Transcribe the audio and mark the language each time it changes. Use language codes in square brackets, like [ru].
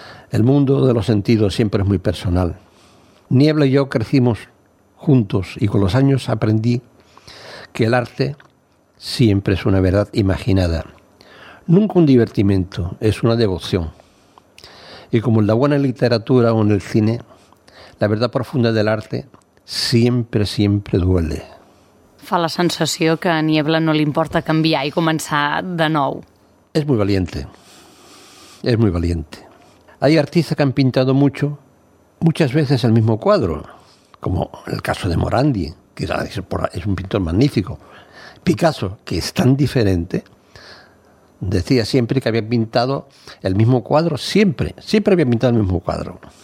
[es] El mundo de los sentidos siempre es muy personal. Niebla y yo crecimos juntos y con los años aprendí que el arte siempre es una verdad imaginada. Nunca un divertimento, es una devoción. Y como en la buena literatura o en el cine, la verdad profunda del arte siempre, siempre duele. [ca] Fa la sensació que a Niebla no li importa canviar i començar de nou. És molt valiente. És molt valiente. [es] Hay artistas que han pintado mucho, muchas veces el mismo cuadro, como el caso de Morandi, que es un pintor magnífico. Picasso, que es tan diferente, decía siempre que había pintado el mismo cuadro, siempre, siempre había pintado el mismo cuadro.